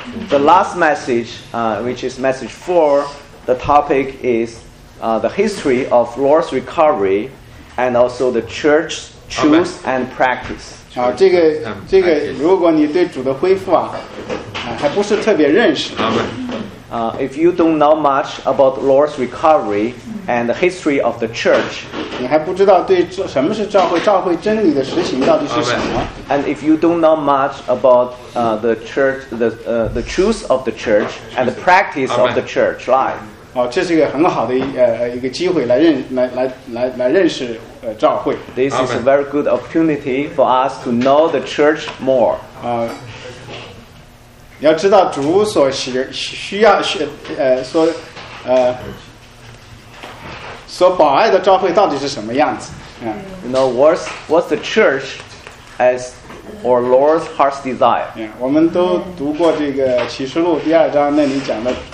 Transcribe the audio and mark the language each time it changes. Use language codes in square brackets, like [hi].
[en] The last message, which is message four, the topic is, the history of Lord's recovery, and also the church's truth and practice. [zh] 这个，如果你对主的恢复啊，还不是特别认识。 [en] Amen. If you don't know much about the Lord's recovery and the history of the church, and if you don't know much about the church, the truth of the church and the practice of the church life, [zh] 这是一个很好的一个机会来认来来来来认识教会。 [en] This is a very good opportunity for us to know the church more. [zh] 你要知道主所需要所所保爱的教会到底是什么样子。 [en] You know what's the church as our Lord's heart's desire. [zh] 我们都读过这个启示录第二章那里讲的。